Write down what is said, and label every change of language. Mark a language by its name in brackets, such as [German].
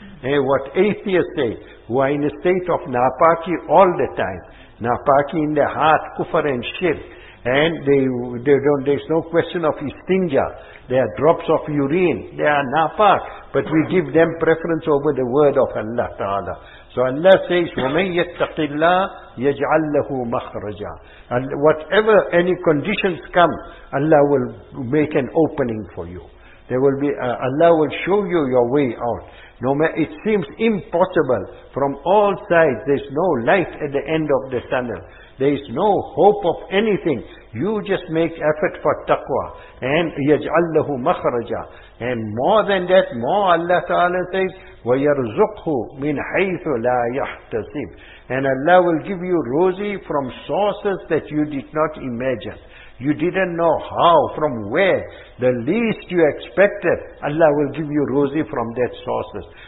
[English] And what atheists say, who are in a state of napaki all the time, napaki in their heart, kufr and shirk, and they don't. There is no question of istinja. They are drops of urine. They are nafaq. But we give them preference over the word of Allah Ta'ala. So Allah says, [Arabic] وَمَنْ يَتَّقِ اللَّهِ يَجْعَلْ لَهُ مَخْرَجًا. [English] And whatever any conditions come, Allah will make an opening for you. There will be Allah will show you your way out. No matter, it seems impossible. From all sides, there is no light at the end of the tunnel. There is no hope of anything. You just make effort for taqwa. And [Arabic] يَجْعَلْ لَهُ مَخْرَجًا. [English] And more than that, more Allah Ta'ala says, [Arabic] وَيَرْزُقْهُ مِنْ حَيْثُ لَا يَحْتَسِبْ. [English] And Allah will give you rosy from sources that you did not imagine. You didn't know how, from where, the least you expected, Allah will give you rosy from that sources.